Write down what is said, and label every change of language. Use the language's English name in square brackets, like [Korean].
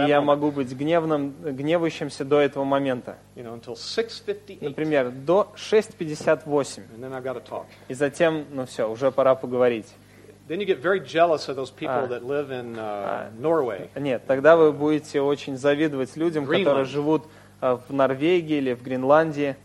[English] moment. [Russian] И я могу быть гневающимся до этого момента. [English] You know, until 6:58. [Russian] Например, до 6:58. [English] And then I've got to talk. [Russian] И затем, ну все, уже пора поговорить. [English] Then you get very jealous of those people that live in Norway. [Russian] Нет, тогда вы будете очень завидовать людям, которые живут в Норвегии или в Гренландии,